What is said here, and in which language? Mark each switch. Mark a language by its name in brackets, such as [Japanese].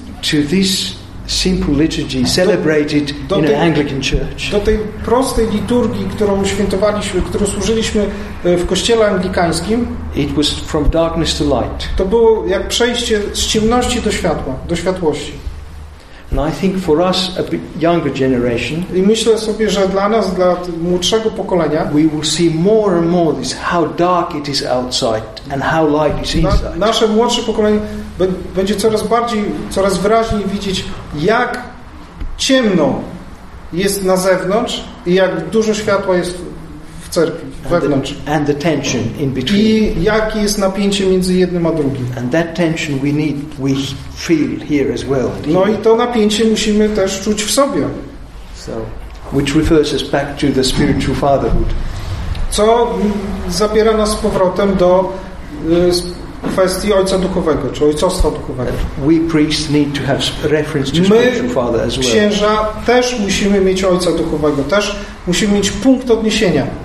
[English] To this simple liturgy celebrated in an Anglican church. [Polish] Do tej prostej liturgii, którą świętowaliśmy, którą służyliśmy w kościele anglikańskim. [English] It was from darkness to light. [Polish] To było jak przejście z ciemności do światła, do światłości. [English] And I think for us, a bit younger generation. [Polish] I myślę sobie, że dla nas, dla młodszego pokolenia, [English] we will see more and more this how dark it is outside and how light is inside. [Polish] Nasze młodsze pokolenie będzie coraz bardziej, coraz wyraźniej widzieć, jak ciemno jest na zewnątrz i jak dużo światła jest w cerkwi, wewnątrz. [English] And the tension in between. [Polish] I jakie jest napięcie między jednym a drugim. [English] And that tension we need, we feel here as well. [Polish] No i to napięcie musimy też czuć w sobie. [English] So, which refers us back to the spiritual fatherhood. [Polish] Co zabiera nas z powrotem do kwestii ojca duchowego, czy ojcostwa duchowego. [English] We priests need to have reference to spiritual father as well. [Polish] My, księża, też musimy mieć ojca duchowego, też musimy mieć punkt odniesienia.